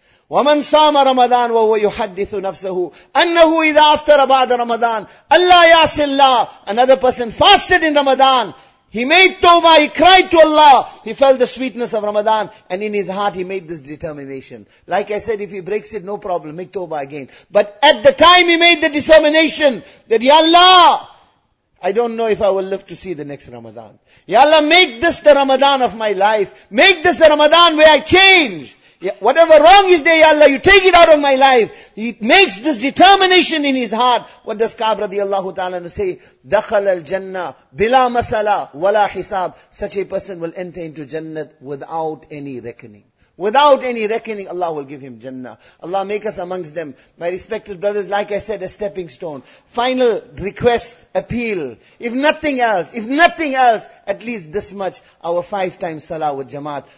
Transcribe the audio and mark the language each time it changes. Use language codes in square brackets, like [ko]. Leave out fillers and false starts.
[ar] وَمَنْ سَامَ رَمَضَانَ وَهُوَ يُحَدِّثُ نَفْسَهُ أَنَّهُ إِذَا أَفْتَرَ بَعْدَ رَمَضَانَ أَلَّا يَعْصِ اللَّهِ. [en] Another person fasted in Ramadan, He made tawbah, he cried to Allah. He felt the sweetness of Ramadan and in his heart he made this determination. Like I said, if he breaks it, no problem, make tawbah again. But at the time he made the determination that, Ya Allah, I don't know if I will live to see the next Ramadan. Ya Allah, make this the Ramadan of my life. Make this the Ramadan where I change. Whatever wrong is there, Ya Allah, you take it out of my life. He makes this determination in his heart. What does Ka'b radiallahu ta'ala say? [ar] دخل الجنة بلا مسألة ولا حساب. [en] Such a person will enter into Jannah without any reckoning. Without any reckoning, Allah will give him Jannah. Allah make us amongst them. My respected brothers, like I said, a stepping stone. Final request, appeal. If nothing else, at least this much, our 5 times salah with Jamaat.